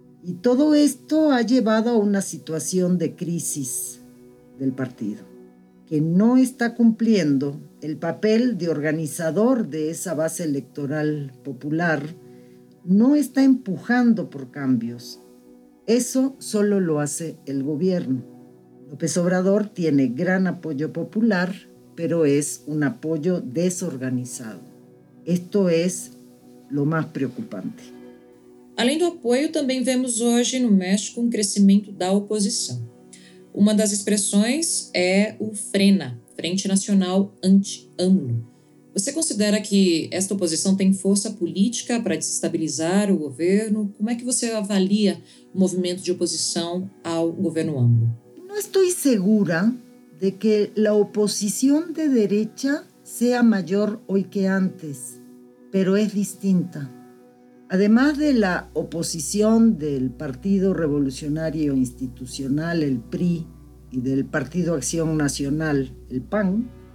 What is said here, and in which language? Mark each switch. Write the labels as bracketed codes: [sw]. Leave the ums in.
[es] Y todo esto ha llevado a una situación de crisis del partido, que no está cumpliendo el papel de organizador de esa base electoral popular, no está empujando por cambios. Eso solo lo hace el gobierno. [pt] López Obrador tem grande apoio popular, mas é um apoio desorganizado. Esto é es o mais preocupante. Além do apoio, também vemos hoje no México um crescimento da oposição. Uma das expressões é o FRENA, Frente Nacional Anti-AMLO. Você considera que esta oposição tem força política para desestabilizar o governo? Como é que você avalia o movimento de oposição ao governo AMLO? [es] estoy segura de que la oposición de derecha sea mayor hoy que antes, pero es distinta. Además de la oposición del Partido Revolucionario Institucional, el PRI, y del Partido Acción Nacional, el PAN,